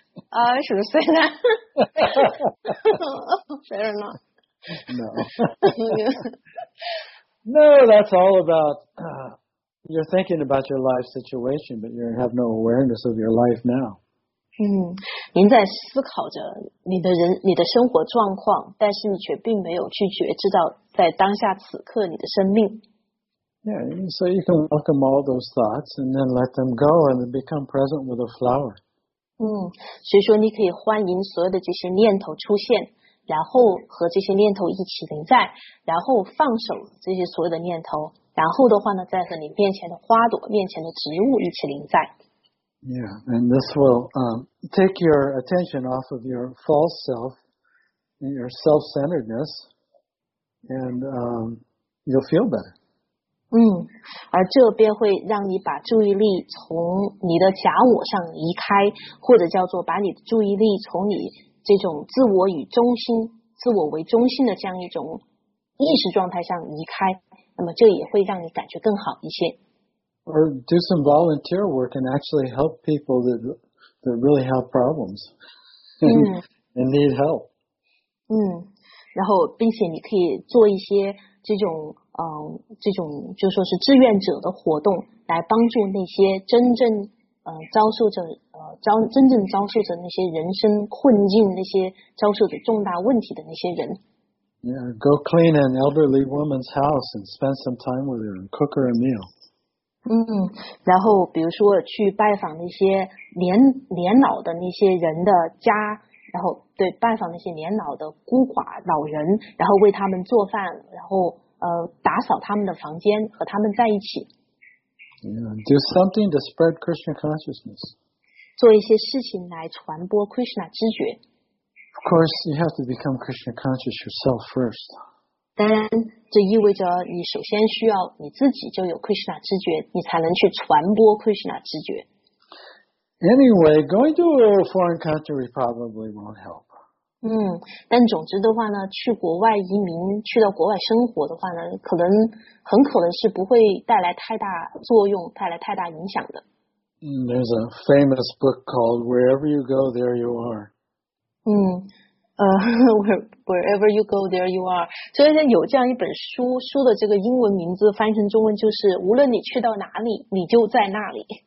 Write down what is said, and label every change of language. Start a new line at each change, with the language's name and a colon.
English: I should have said that. Fair enough. No. No, that's all about you're thinking about your life situation, but you have no awareness of your life now.
Chinese: 您在思考着你的人、你的生活状况，但是你却并没有去觉知到在当下此刻你的生命。
English: Yeah, so you can welcome all those thoughts and then let them go and become present with a flower.
Chinese: 所以说你可以欢迎所有的这些念头出现，然后和这些念头一起临在，然后放手这些所有的念头，然后的话呢，再和你面前的花朵、面前的植物一起临在。
English: Yeah, and this will take your attention off of your false self, and your self-centeredness, and you'll feel better.
Chinese: 而这便会让你把注意力从你的假我上移开，或者叫做把你的注意力从你这种自我与中心、自我为中心的这样一种意识状态上移开，那么这也会让你感觉更好一些。
English: Or do some volunteer work and actually help people that really have problems and need help.
Chinese: 然后并且你可以做一些这种这种就是说是志愿者的活动，来帮助那些真正遭受着真正遭受着那些人生困境、那些遭受着重大问题的那些人。
English: Yeah, go clean an elderly woman's house and spend some time with her and cook her a meal.
Chinese: 然后比如说去拜访那些年老的那些人的家，然后对拜访那些年老的孤寡老人，然后为他们做饭，然后打扫他们的房间，和他们在一起。
English: Do something to spread Krishna consciousness.
Chinese: 做一些事情来传播 Krishna 知觉。
English: Of course, you have to become Krishna conscious yourself first.
Chinese: 当然，这意味着你首先需要你自己就有 Krishna 知觉，你才能去传播 Krishna 知觉。
English: Anyway, going to a foreign country probably won't help.
Chinese: 但总之的话呢，去国外移民，去到国外生活的话呢，可能很可能是不会带来太大作用，带来太大影响的。
English: There's a famous book called Wherever You Go, There You Are. Wherever You Go, There You Are.
Chinese: 所以有这样一本书，书的这个英文名字翻译成中文就是无论你去到哪里，你就在那里。